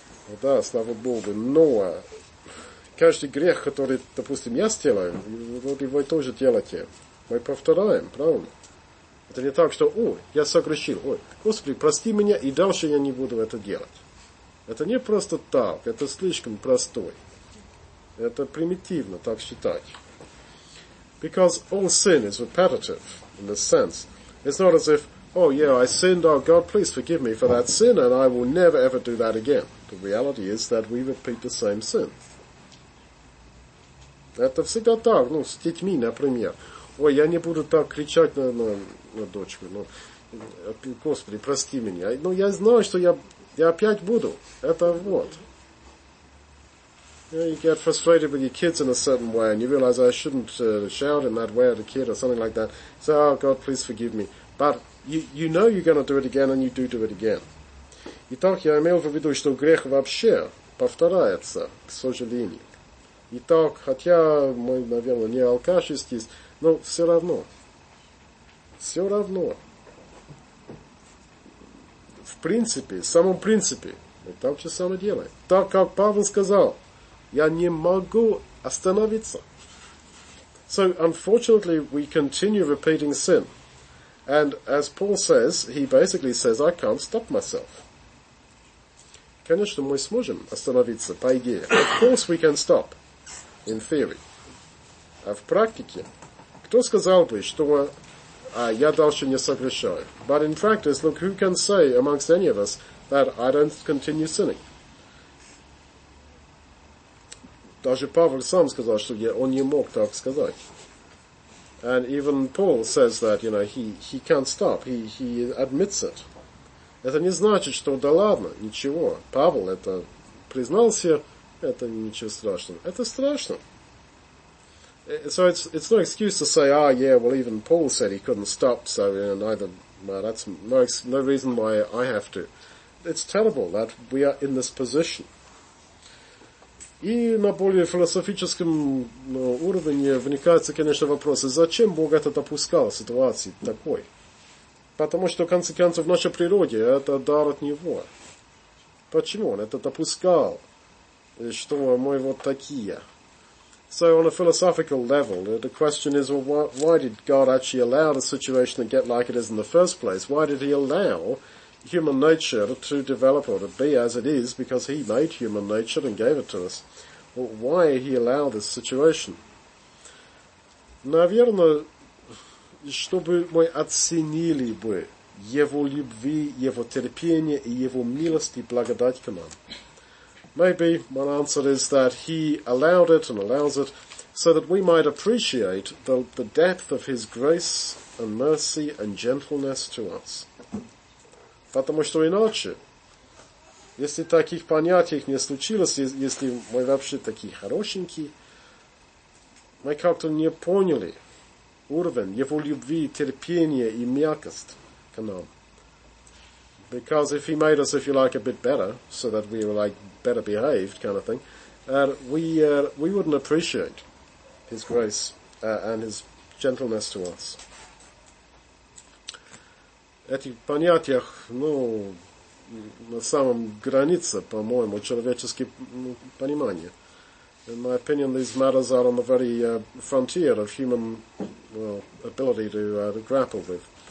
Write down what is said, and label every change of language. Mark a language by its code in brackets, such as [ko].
[ru] Well, да, слава Богу, но... Каждый грех, который, допустим, я сделаю, вроде вы тоже делаете. Мы повторяем, правильно? Это не так, что, ой, я согрешил. Ой, Господи, прости меня, и дальше я не буду это делать. Это не просто так, это слишком простой. Это примитивно так считать. [en] Because all sin is repetitive, in a sense. It's not as if, oh yeah, I sinned, oh God, please forgive me for that sin, and I will never ever do that again. The reality is that we repeat the same sin. [ru] Это всегда так, ну, с детьми, например. Ой, я не буду так кричать на дочку, но, Господи, прости меня. Ну, я знаю, что я опять буду. Это вот. [en] You get frustrated with your kids in a certain way, and you realize I shouldn't shout in that way at a kid or something like that. Say, oh, God, please forgive me. But you know you're going to do it again, and you do it again. [ru] Итак, я имел в виду, что грех вообще повторяется, к сожалению. Итак, хотя мы, наверное, не алкаши здесь, но все равно. Все равно. В принципе, в самом принципе, мы так же самое делаем. Так, как Павел сказал, я не могу остановиться. [en] So, unfortunately, we continue repeating sin. And as Paul says, he basically says, I can't stop myself. [ru] Конечно, мы сможем остановиться, по идее. [en] Of course we can stop. In theory. [ru] А в практике, кто сказал бы, что я дальше не согрешаю? [en] But in practice, look, who can say amongst any of us that I don't continue sinning? [ru] Даже Павел сам сказал, что он не мог так сказать. [en] And even Paul says that, you know, he can't stop. He admits it. [ru] Это не значит, что да ладно, ничего. Павел это признался. Это ничего страшного. Это страшно. [en] So it's no excuse to say, ah, yeah, well, even Paul said he couldn't stop, so you know, neither, well, that's no reason why I have to. It's terrible that we are in this position. [ru] И на более философическом уровне вникается, конечно, вопрос, зачем Бог это допускал в ситуации такой? Потому что, в конце концов, в нашей природе это дар от Него. Почему Он это допускал? Что мы вот такие? [en] So on a philosophical level, the question is, well, why did God actually allow the situation to get like it is in the first place? Why did He allow human nature to develop or to be as it is, because He made human nature and gave it to us? Well, why He allowed this situation? [ru] Наверное, чтобы мы оценили бы Его любви, Его терпение и Его милость и благодать к нам. [en] Maybe my answer is that He allowed it and allows it so that we might appreciate the depth of His grace and mercy and gentleness to us. [ru] Потому что иначе, если таких понятий не случилось, если мы вообще такие хорошенькие, мы как-то не поняли уровень Его любви, терпения и мягкости к нам. [en] Because if He made us, if you like, a bit better, so that we were like better behaved kind of thing, we wouldn't appreciate His grace and His gentleness to us. [ru] Эти понятия, ну, на самом границе, по-моему, человеческого понимания. [en] In my opinion, these matters are on the very frontier of human ability to grapple with.